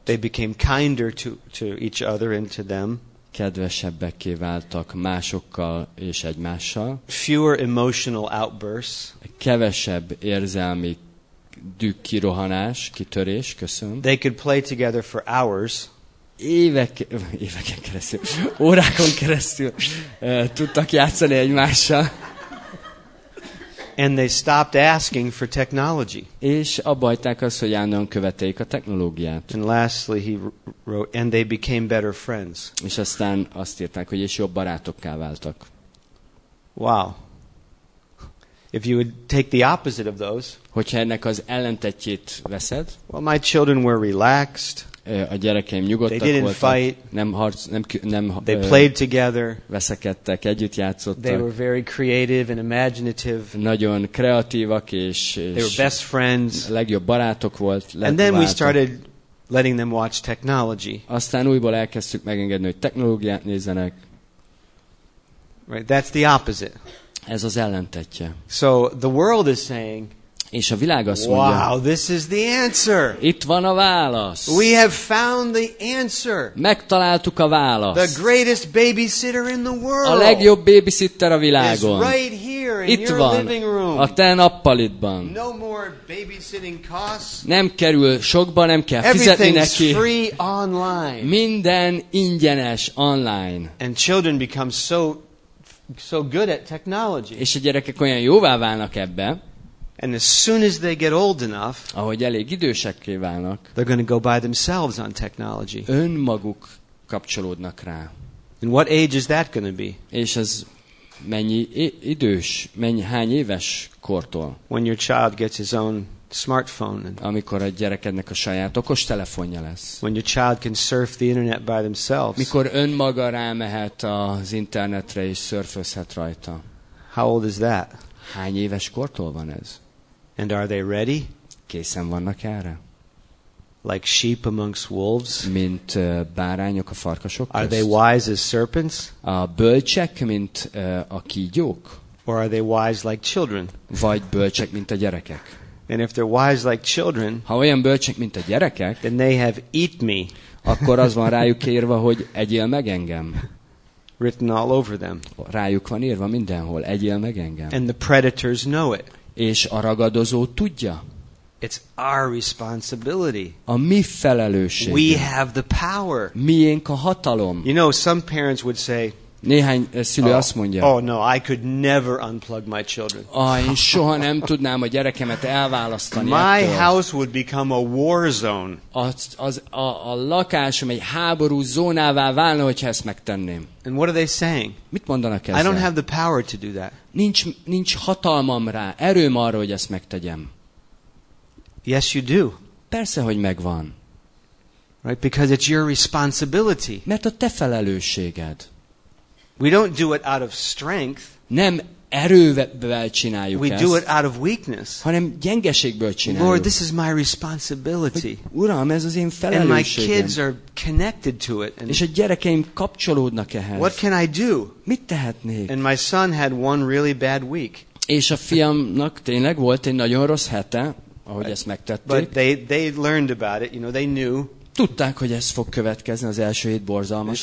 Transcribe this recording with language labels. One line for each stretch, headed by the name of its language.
English: They became kinder to each other and to them.
Hungarian: Kedvesebbeké váltak másokkal és egymással.
English: Fewer emotional outbursts.
Hungarian: Kevesebb érzelmi kirohanás, kitörés, köszönöm.
English: They could play together for hours.
Hungarian: Éveken keresztül, órákon keresztül tudtak játszani egymással.
English: And they stopped asking for technology.
Hungarian: És abba hagyták azt, hogy állandóan követték a technológiát.
English: And lastly he wrote, and they became better friends.
Hungarian: És aztán azt írták, hogy és jobb barátokká váltak.
English: Wow. If you would take the opposite of those,
Hungarian: hogyha ennek az ellentétjét veszed,
English: well, my children were relaxed.
Hungarian: A gyerekeim nyugodtak voltak.
English: They played together.
Hungarian: Veszekedtek, együtt játszottak.
English: They were very creative and imaginative.
Hungarian: Nagyon kreatívak és
English: they were best friends.
Hungarian: Legjobb barátok voltak.
English: And then we started letting them watch technology.
Hungarian: Aztán újból elkezdtük megengedni, hogy technológiát nézzenek.
English: Right, that's the opposite.
Hungarian: Ez az ellentétje.
English: So the world is saying,
Hungarian: És a világ azt mondja,
English: wow, this is the answer.
Hungarian: Itt van a válasz.
English: We have found the answer.
Hungarian: Megtaláltuk a választ.
English: The greatest babysitter in the world.
Hungarian: A legjobb babysitter a világon.
English: Is right here in
Hungarian: itt
English: your
Hungarian: van
English: living room.
Hungarian: A te nappalidban.
English: No more babysitting costs.
Hungarian: Nem kerül sokba, nem kell fizetni neki.
English: Free online.
Hungarian: Minden ingyenes online.
English: And children become so good at technology.
Hungarian: És a gyerekek olyan jóvá válnak ebbe.
English: And as soon as they get old enough,
Hungarian: ahogy elég idősekké válnak,
English: they're going to go by themselves on technology.
Hungarian: Önmaguk kapcsolódnak rá.
English: And what age is that going to be?
Hungarian: És ez mennyi idős, mennyi hány éves kortól?
English: When your child gets his own smartphone.
Hungarian: Amikor a gyerekednek a saját okostelefonja lesz.
English: When your child can surf the internet by themselves.
Hungarian: Mikor önmaga rámehet az internetre és szörfözhet rajta.
English: How old is that?
Hungarian: Hány éves kortól van ez?
English: And are they ready?
Hungarian: Készen vannak erre?
English: Like sheep amongst wolves?
Hungarian: Mint bárányok a farkasok közt?
English: Are they wise as serpents?
Hungarian: A bölcsek, mint a kígyók?
English: Or are they wise like children?
Hungarian: Vagy bölcsek, mint a gyerekek?
English: And if they're wise like children,
Hungarian: ha olyan bölcsek, mint a gyerekek,
English: then they have eat me.
Hungarian: Akkor az van rájuk írva, hogy egyél meg engem.
English: Written all over them.
Hungarian: Rájuk van írva mindenhol, egyél meg engem.
English: And the predators know it.
Hungarian: És a ragadozó tudja.
English: It's our responsibility.
Hungarian: A mi felelősségünk.
English: We have the power.
Hungarian: Miénk a hatalom.
English: You know, some parents would say,
Hungarian: néhány szülő azt mondja,
English: oh no, I could never unplug my children.
Hungarian: Én soha nem tudnám a gyerekemet elválasztani.
English: My house would become a war zone.
Hungarian: A lakásom egy háború zónává válna, hogyha ezt megtenném.
English: And what are they saying?
Hungarian: Mit mondanak ezzel?
English: I don't have the power to do that.
Hungarian: Nincs hatalmam rá, erőm arra, hogy ezt megtegyem.
English: Yes, you do.
Hungarian: Persze, hogy megvan.
English: Right, because it's your responsibility.
Hungarian: Mert a te felelősséged.
English: We don't do it out of strength.
Hungarian: Nem erővel csináljuk
English: we
Hungarian: ezt.
English: We do it out of weakness.
Hungarian: Hanem gyengeségből csináljuk.
English: Lord, this is my responsibility.
Hungarian: Uram, ez az én felelősségem.
English: And my kids are connected to it. And
Hungarian: és a gyerekeim kapcsolódnak ehhez.
English: What can I do?
Hungarian: Mit tehetnék?
English: And my son had one really bad week.
Hungarian: És a fiamnak tényleg volt egy nagyon rossz hete, ahogy ezt megtették.
English: But they learned about it, you know, they knew.
Hungarian: Tudták, hogy ez fog következni, az első hét borzalmas